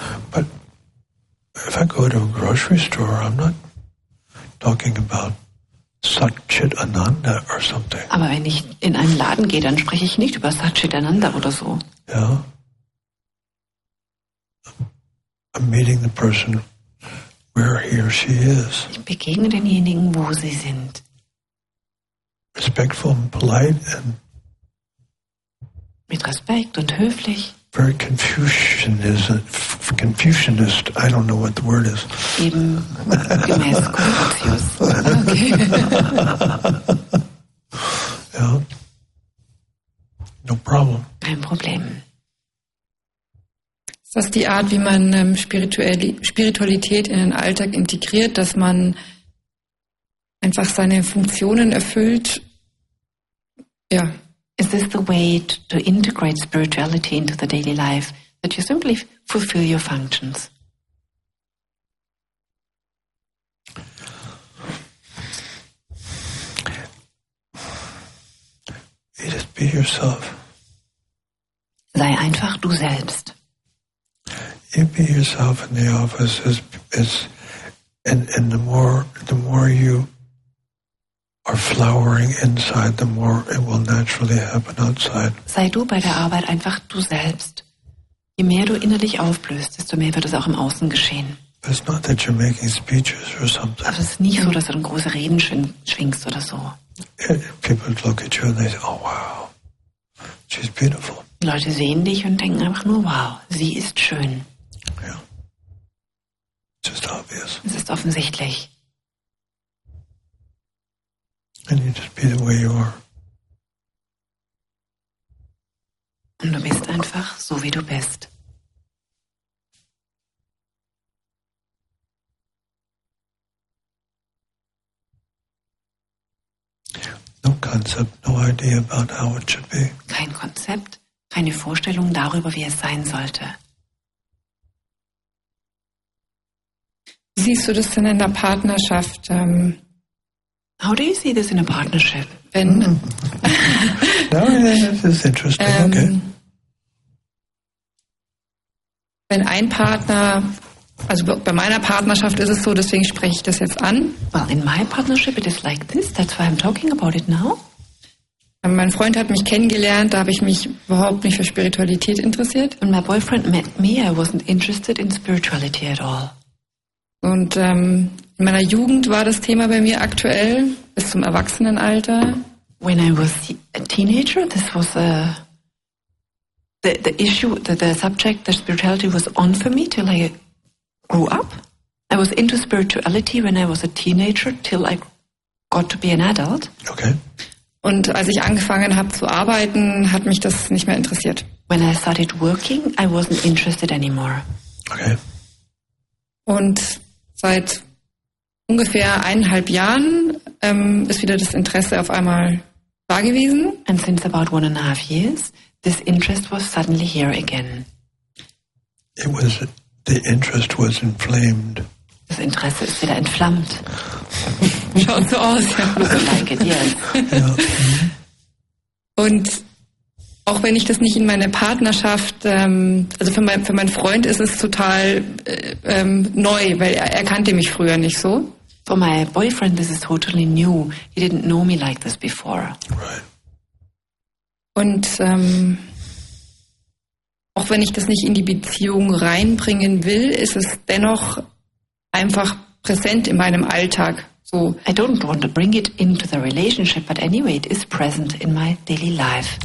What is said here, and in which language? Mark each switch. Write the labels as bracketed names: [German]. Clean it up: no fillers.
[English] But if I go to a grocery store, I'm not talking about Satchitananda or something. [German] Aber wenn ich in einen Laden gehe, dann spreche ich nicht über Satchitananda oder so. Ja. [English] I'm meeting the person. Where he or she is. [German] Ich begegne denjenigen, wo sie sind. [English] Respectful and polite and [German] mit Respekt und höflich. [English] Very Confucianist. I don't know what the word is. [German] Eben gemäß Konfuzius. Okay. [English] Yeah. No problem. [German] Kein Problem. Ist das die Art, wie man Spiritualität in den Alltag integriert, dass man einfach seine Funktionen erfüllt? Ja. [English] Is this the way to integrate spirituality into the daily life, that you simply fulfill your functions? You just be yourself. [German] Sei einfach du selbst. [English] You be yourself in the office is, and the more you are flowering inside, the more it will naturally happen outside. [German] Sei du bei der Arbeit einfach du selbst. Je mehr du innerlich aufblühst, desto mehr wird es auch im Außen geschehen. [English] But it's not that you're making speeches or something. [German] Aber es ist nicht so, dass du dann große Reden schwingst oder so. [English] People look at you and they say, oh wow, she's beautiful. [German] Leute sehen dich und denken einfach nur, wow, sie ist schön. [English] Yeah. Just obvious. [German] Es ist offensichtlich. [English] And you just be the way you are. [German] Und du bist einfach so, wie du bist. [English] No concept, no idea about how it should be. [German] Kein Konzept. Eine Vorstellung darüber, wie es sein sollte. Wie siehst du das denn in der Partnerschaft? [English] How do you see this in a partnership? [German] Wenn [English] Okay. [German] Wenn ein Partner Also bei meiner Partnerschaft ist es so, deswegen spreche ich das jetzt an. [English] Well, in my partnership it is like this, that's why I'm talking about it now. [German] Mein Freund hat mich kennengelernt, da habe ich mich überhaupt nicht für Spiritualität interessiert. [English] And my boyfriend met me, I wasn't interested in spirituality at all. [German] Und in meiner Jugend war das Thema bei mir aktuell, bis zum Erwachsenenalter. [English] When I was a teenager, this was a the issue, the subject, the spirituality was on for me till I grew up. I was into spirituality when I was a teenager till I got to be an adult. Okay. [German] Und als ich angefangen habe zu arbeiten, hat mich das nicht mehr interessiert. [English] When I started working, I wasn't interested anymore. Okay. [German] Und seit ungefähr 1,5 Jahren ist wieder das Interesse auf einmal da gewesen. [English] And since about 1.5 years, this interest was suddenly here again. It was, the interest was inflamed. [German] Das Interesse ist wieder entflammt. Schaut so aus, ja. [English] Like it, yes. [German] Ja. Mhm. Und auch wenn ich das nicht in meine Partnerschaft, also für meinen Freund ist es total neu, weil er kannte mich früher nicht so. [English] For my boyfriend, this is totally new. He didn't know me like this before. Right. [German] Und auch wenn ich das nicht in die Beziehung reinbringen will, ist es dennoch einfach präsent in meinem Alltag. [English] So. I don't want to bring it into the relationship, but anyway, it is present in my daily life.